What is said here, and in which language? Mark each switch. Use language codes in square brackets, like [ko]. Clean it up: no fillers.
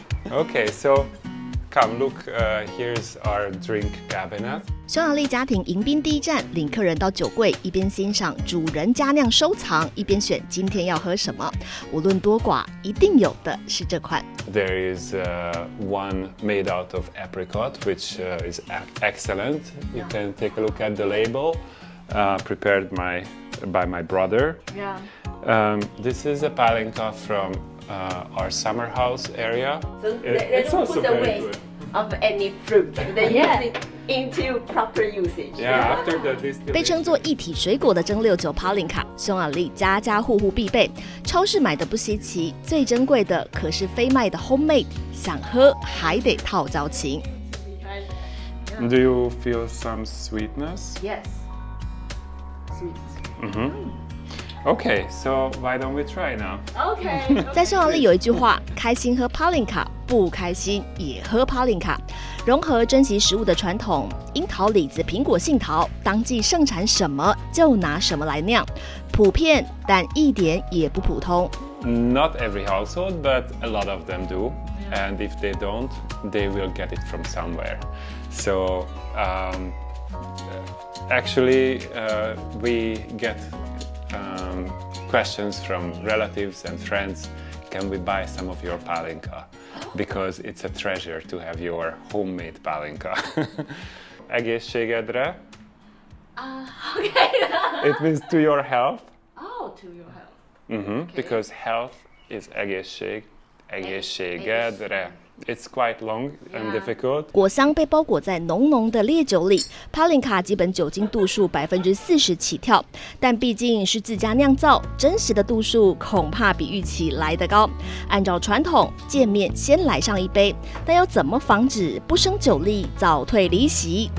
[en] Okay, so come look, here's our drink cabinet. [zh] 匈牙利家庭迎宾第一站，领客人到酒柜，一边欣赏主人家酿收藏，一边选今天要喝什么。无论多寡，一定有的是这款。 [en] There is one made out of apricot, which is excellent. You can take a look at the label, prepared by my brother. This is a palinka from our summer house area. It's also very good. Of any fruit, they use it into proper usage. Yeah, after the distillation. [zh] 被称作一体水果的蒸馏酒 Palinka， 匈牙利家家户户必备。超市买的不稀奇，最珍贵的可是非卖的 homemade。想喝还得套交情。 [en] Do you feel some sweetness? Yes, sweet. Mm-hmm. Okay, so why don't we try now? Okay. [zh] 在匈牙利有一句话，开心喝 Palinka， 不开心也喝 Palinka。融合珍惜食物的传统，樱桃、李子、苹果、杏桃，当季盛产什么就拿什么来酿，普遍但一点也不普通。 [en] Not every household, but a lot of them do. And if they don't, they will get it from somewhere. So, actually, we get. Questions from relatives and friends, can we buy some of your palinka? because it's a treasure to have your homemade pálinka. [hu] Egészségedre. [en] Okay. It means to your health. Oh, to your health. Mm-hmm. Okay. Because health is egészség. Egészségedre. It's quite long and difficult. [zh] 果香被包裹在浓浓的烈酒里，帕林卡基本酒精度数40%起跳，但毕竟是自家酿造，真实的度数恐怕比预期来得高。按照传统，见面先来上一杯，但要怎么防止不生酒力早退离席？